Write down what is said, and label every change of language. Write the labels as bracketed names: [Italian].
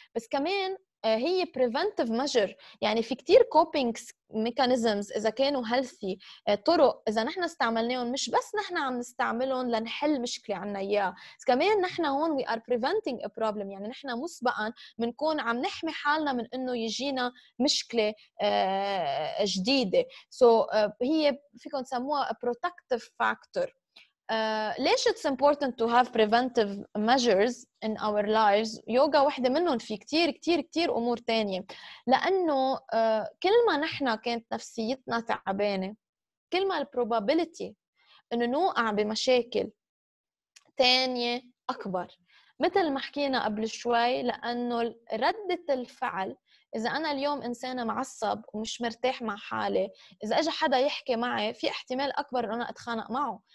[Arabic] بس كمان هي preventive measure. يعني في كتير coping mechanisms إذا كانوا healthy طرق إذا نحنا استعملناهم مش بس نحنا عم نستعملهم لنحل مشكلة عنا إياه كمان نحنا هون [English] we are preventing a problem. [Arabic] يعني نحنا مسبقا منكون عم نحمي حالنا من إنه يجينا مشكلة جديدة. So هي فيكن تسموها [English] a protective factor. [Arabic] ليش [English] it's important to have preventive measures in our lives؟ [Arabic] يوغا واحدة منهم. في كتير كتير كتير أمور تانية لأنه كل ما نحنا كانت نفسيتنا تعبانة كل ما probability أنه نوقع بمشاكل تانية أكبر. مثل ما حكينا قبل شوي لأنه ردة الفعل إذا أنا اليوم إنسانة معصب ومش مرتاح مع حالي إذا أجا حدا يحكي معي في احتمال أكبر أنه أنا أتخانق معه.